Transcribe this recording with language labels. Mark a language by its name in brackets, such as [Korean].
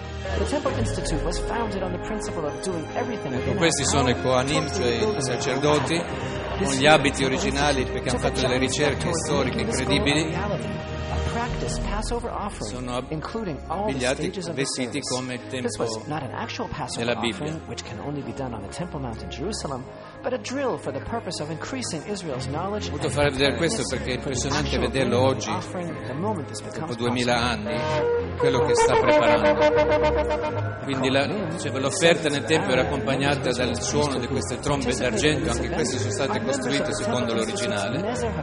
[Italian] Ecco, questi sono i Kohanim, cioè i sacerdoti, con gli abiti originali, perché hanno fatto delle ricerche storiche incredibili. Sono abbigliati, vestiti come il tempo della Bibbia. [English] Which can only be done on the Temple Mount in Jerusalem, but a drill for the purpose of increasing Israel's knowledge. [Italian] Voglio far vedere questo perché è impressionante vederlo oggi, dopo 2000 anni, quello che sta preparando. Quindi l'offerta nel tempio era accompagnata dal suono di queste trombe d'argento, anche queste sono state costruite secondo l'originale.